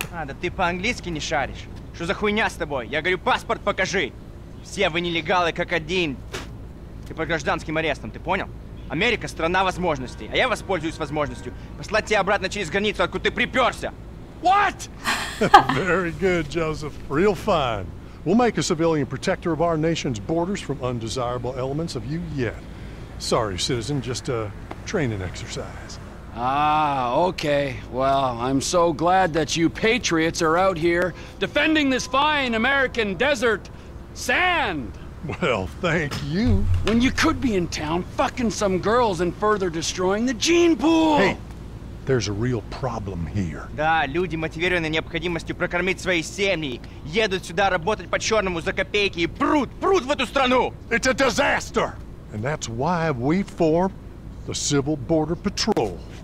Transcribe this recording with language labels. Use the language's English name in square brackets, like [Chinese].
[Russian] А, да ты по-английски не шаришь? Что за хуйня с тобой? Я говорю, паспорт покажи. Все вы нелегалы как один. Ты под гражданским арестом, ты понял? Америка — страна возможностей, а я воспользуюсь возможностью послать тебя обратно через границу, откуда ты приперся. [English] What? Very good, Joseph. Real fine. We'll make a civilian protector of our nation's borders from undesirable elements of you yet. Sorry, citizen, just a training exercise. Ah, okay. Well, I'm so glad that you patriots are out here defending this fine American desert sand. Well, thank you. When you could be in town fucking some girls and further destroying the gene pool. Hey, there's a real problem here. [Russian] Да, люди, мотивированные необходимостью прокормить свои семьи, едут сюда работать по-черному за копейки и прут в эту страну. [English] It's a disaster. And that's why we formed the Civil Border Patrol.